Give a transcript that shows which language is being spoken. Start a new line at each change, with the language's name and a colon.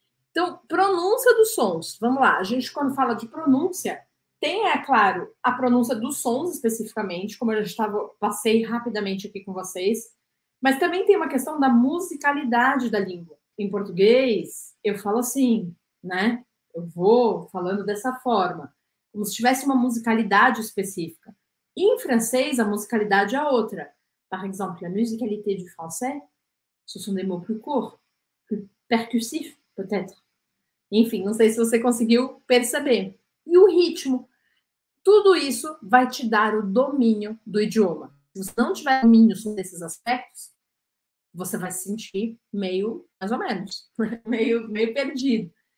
Portuguese: Então, pronúncia dos sons. Vamos lá. A gente, quando fala de pronúncia, tem, é claro, a pronúncia dos sons especificamente, como eu já estava, passei rapidamente aqui com vocês. Mas também tem uma questão da musicalidade da língua. Em português, eu falo assim, né? Eu vou falando dessa forma, como se tivesse uma musicalidade específica. Em francês, a musicalidade é outra.
French: Par exemple, la musicalité du français, ce sont des mots plus courts, plus percussifs, peut-être.
Portuguese: Enfim, não sei se você conseguiu perceber. E o ritmo? Tudo isso vai te dar o domínio do idioma. Se você não tiver domínio sobre esses aspectos, você vai se sentir meio, mais ou menos, meio perdido.